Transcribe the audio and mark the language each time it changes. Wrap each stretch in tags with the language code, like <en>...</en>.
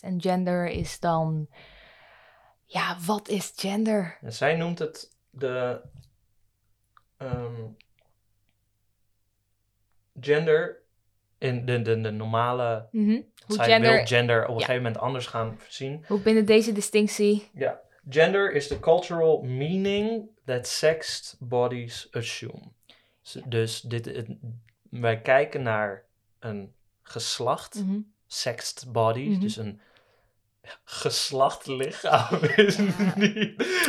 <nl>En gender is dan, ja, wat is gender? En zij noemt het de gender in de normale, mm-hmm. Hoe zij gender, wil gender op een gegeven moment anders gaan zien. Hoe binnen deze distinctie?</nl> <en>Ja, gender is the cultural meaning that sexed bodies assume.</en> <nl>Dus wij kijken naar een geslacht, mm-hmm.</nl> <en>sexed body, mm-hmm.</en> <nl>dus een geslacht lichaam is niet.</nl>